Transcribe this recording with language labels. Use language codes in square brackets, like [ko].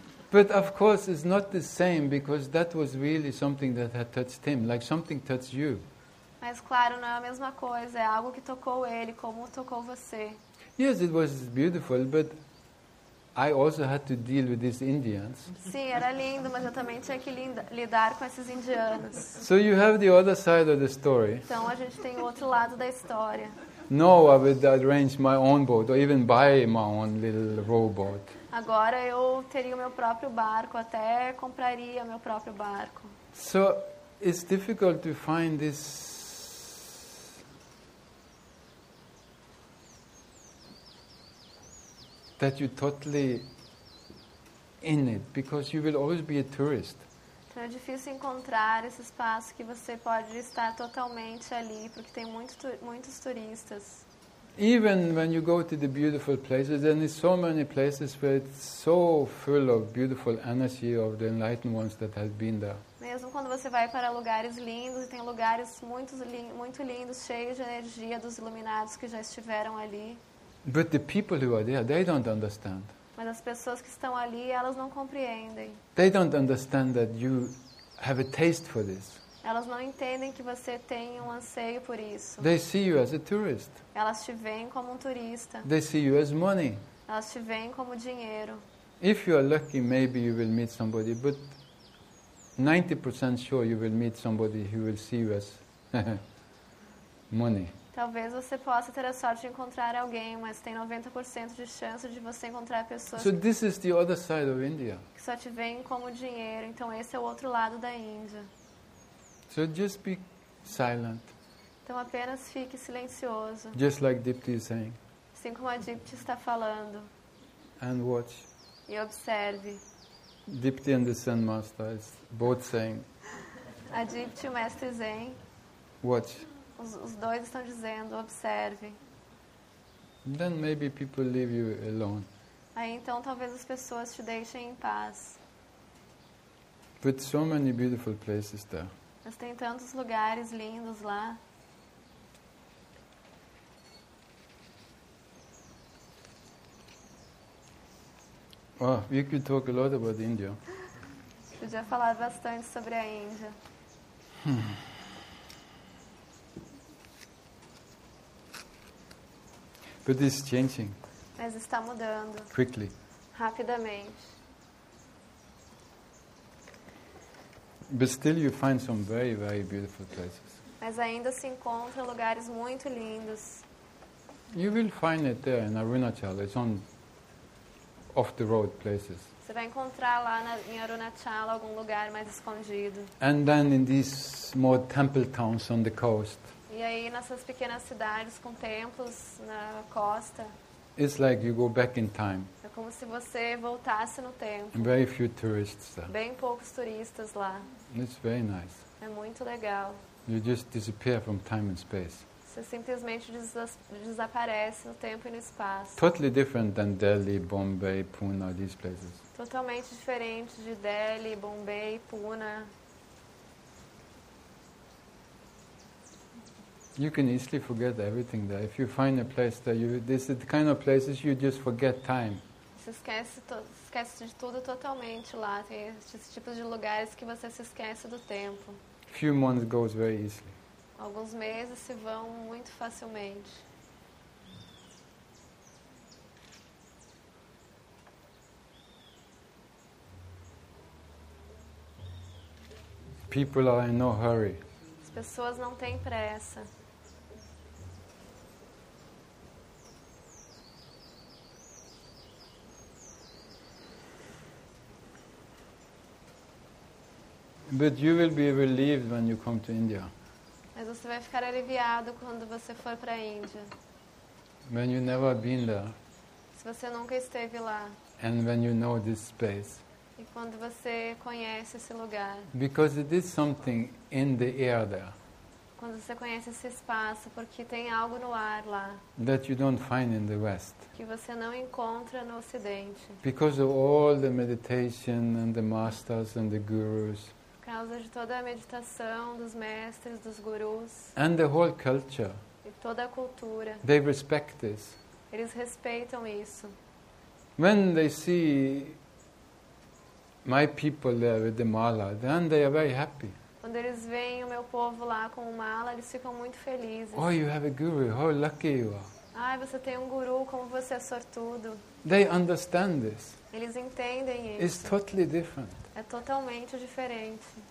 [en] But of course it's not the same because that was really something that had touched him, like something touched you. [pt] Mas claro, não é a mesma coisa, é algo que tocou ele, como tocou você. [en] Yes, it was beautiful, but I also had to deal with these Indians. [pt] Sim, era lindo, mas eu também tinha que lidar com esses indianos. [en] So you have the other side of the story. [pt] Então a gente tem o outro lado da história. [en] No, I would arrange my own boat or even buy my own little rowboat. [pt] Agora eu teria o meu próprio barco, até compraria meu próprio barco. [en] So it's difficult to find this. That you're totally in it, because you will always be a tourist. [pt] Então é difícil encontrar esse espaço que você pode estar totalmente ali, porque tem muitos turistas. [en] Even when you go to the beautiful places, and there's so many places where it's so full of beautiful energy of the enlightened ones that have been there. [pt] Mesmo quando você vai para lugares lindos, e tem lugares muito lindos, cheios de energia dos iluminados que já estiveram ali. [en] But the people who are there, they don't understand. [pt] Mas as pessoas que estão ali, elas não compreendem. [en] They don't understand that you have a taste for this. [pt] Elas não entendem que você tem um anseio por isso. [en] They see you as a tourist. [pt] Elas te veem como um turista. [en] They see you as money. [pt] Elas te veem como dinheiro. [en] If you are lucky, maybe you will meet somebody, but 90% sure you will meet somebody who will see you as money. [pt] Talvez você possa ter a sorte de encontrar alguém, mas tem 90% de chance de você encontrar pessoas. [en] So this is the other side of India. [pt] Que só te veem como dinheiro, então esse é o outro lado da Índia. [en] So just be silent. [pt] Então apenas fique silencioso. [en] Just like Dipti is saying. [pt] Assim como a Dipti está falando. [en] And watch. [pt] E observe. [en] Dipti and the Zen Master is both saying. [pt] A Dipti e o Mestre Zen. [en] Watch. [pt] Os dois estão dizendo, observe. [en] Then maybe people leave you alone. [pt] Aí então talvez as pessoas te deixem em paz. [en] But so many beautiful places there. [pt] Mas tem tantos lugares lindos lá. [en] Oh, we could talk a lot about India. [pt] Podia falar bastante sobre a Índia. [en] But it's changing. [pt] Mas está mudando. [en] Quickly. [pt] Rapidamente. [en] But still you find some very, very beautiful places. [pt] Mas ainda se encontra lugares muito lindos. [en] You will find it there in Arunachal. It's on off the road places. [pt] Você vai encontrar lá em Arunachal algum lugar mais escondido. [en] And then in these more temple towns on the coast. [pt] E aí nessas pequenas cidades com templos na costa. [en] It's like you go back in time. [pt] É como se você voltasse no tempo. [en] Very few tourists there. [pt] Bem poucos turistas lá. [en] It's very nice. [pt] É muito legal. [en] You just disappear from time and space. [pt] Você simplesmente desaparece no tempo e no espaço. [en] Totally different than Delhi, Bombay, Pune, these places. [pt] Totalmente diferente de Delhi, Bombay, Pune. [en] You can easily forget everything there. If you find a place that you, this is the kind of places you just forget time. [pt] Você esquece de tudo totalmente lá. Tem esses tipos de lugares que você se esquece do tempo. [en] Few months goes very easily. [pt] Alguns meses se vão muito facilmente. [en] People are in no hurry. [pt] As pessoas não têm pressa. [en] But you will be relieved when you come to India. [pt] Mas você vai ficar aliviado quando você for para a Índia. [en] When you never been there. [pt] Se você nunca esteve lá. [en] And when you know this space. [pt] E quando você conhece esse lugar. [en] Because it is something in the air there. [pt] Quando você conhece esse espaço, porque tem algo no ar lá. [en] That you don't find in the West. [pt] Que você não encontra no Ocidente. [en] Because of all the meditation and the masters and the gurus. [pt] Por causa de toda a meditação dos mestres, dos gurus. [en] And the whole culture. [pt] E toda a cultura. [en] They respect this. [pt] Eles respeitam isso. [en] When they see my people there with the mala, then they are very happy. [pt] Quando eles veem o meu povo lá com o mala, eles ficam muito felizes. [en] Oh, you have a guru. How lucky you are. [pt] Ai, você tem um guru, como você é sortudo. [en] They understand this. [pt] Eles entendem isso. [en] It's totally different. [pt] É totalmente diferente.